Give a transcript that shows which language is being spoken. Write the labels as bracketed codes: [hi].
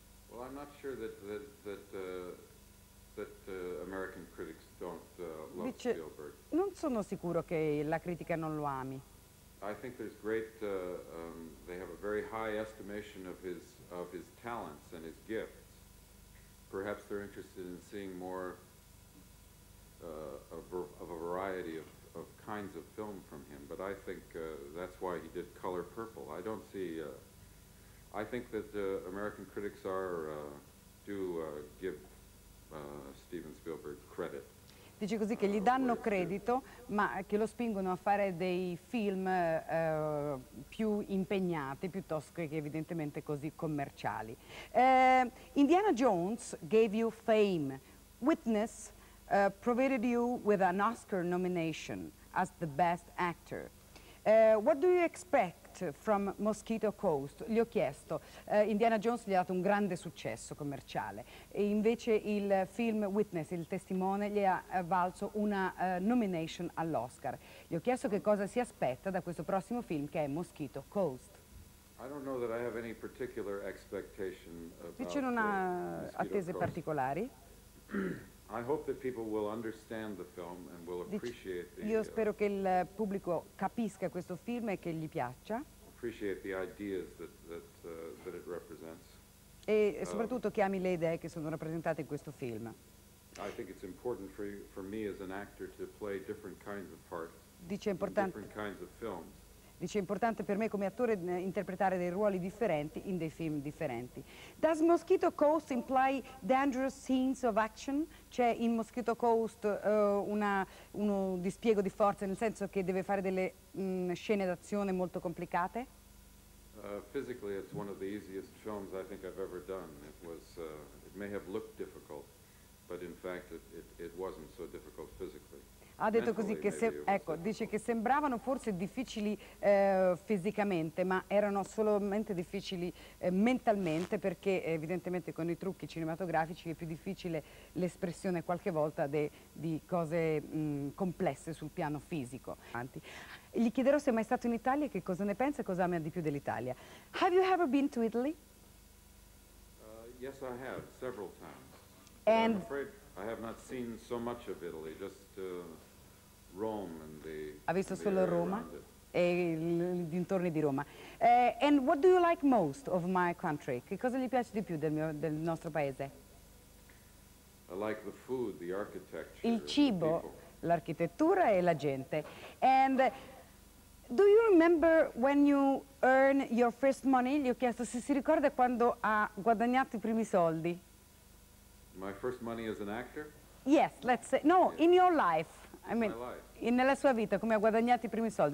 [en] Well, I'm not sure that American critics don't love [it] Dice, Spielberg. [en] Non sono sicuro che la critica non lo ami. I think there's great they have a very high estimation of his talents and his gifts. Perhaps they're interested in seeing more of a variety of kinds of film from him, but I think that's why he did Color Purple. I don't see, I think that American critics give Steven Spielberg credit. [it] Dice così che gli danno credito, ma che lo spingono a fare dei film più impegnati, piuttosto che evidentemente così commerciali. [en] Indiana Jones gave you fame. Witness provided you with an Oscar nomination as the best actor. What do you expect from Mosquito Coast? [it] Gli ho chiesto. Indiana Jones gli ha dato un grande successo commerciale. E invece il film Witness, il testimone, gli ha valso una nomination all'Oscar. Gli ho chiesto che cosa si aspetta da questo prossimo film che è Mosquito Coast. [en] I don't know that I have any particular expectation about [it] Dice non ha attese [en] Coast. [it] Particolari. [en] I hope that people will understand the film and will appreciate the [it] Io spero che il pubblico capisca questo film e che gli piaccia. [en] Appreciate the ideas that it represents. [it] E soprattutto che ami le idee che sono rappresentate in questo film. [en] I think it's important for me as an actor to play different kinds of parts. [it] Dice importante. [en] Different kinds of films. [it] Dice importante per me come attore interpretare dei ruoli differenti in dei film differenti. [en] Does Mosquito Coast imply dangerous scenes of action? [it] C'è in Mosquito Coast uno dispiego di forza, nel senso che deve fare delle scene d'azione molto complicate? [en] Physically it's one of the easiest films I think I've ever done. It may have looked difficult, but in fact it wasn't so difficult physically. [it] Ha detto così che se, ecco, dice che sembravano forse difficili fisicamente, ma erano solamente difficili mentalmente, perché evidentemente con i trucchi cinematografici è più difficile l'espressione qualche volta di cose complesse sul piano fisico. Gli chiederò se è mai stato in Italia, che cosa ne pensa e cosa ama di più dell'Italia. [en] Have you ever been to Italy? Yes, I have, several times. And I'm afraid I have not seen so much of Italy, just Rome and the [it] Ha visto solo Roma e i dintorni di Roma. [en] And what do you like most of my country? [it] Che cosa gli piace di più del nostro paese? [en] I like the food, the architecture. [it] Il cibo, l'architettura e la gente. [en] And do you remember when you earn your first money? Gli ho chiesto se si ricorda quando ha guadagnato i primi soldi. My first money as an actor? Yes, let's say no, yes. In your life. I mean, [it] in nella sua vita, come ha guadagnato i primi soldi?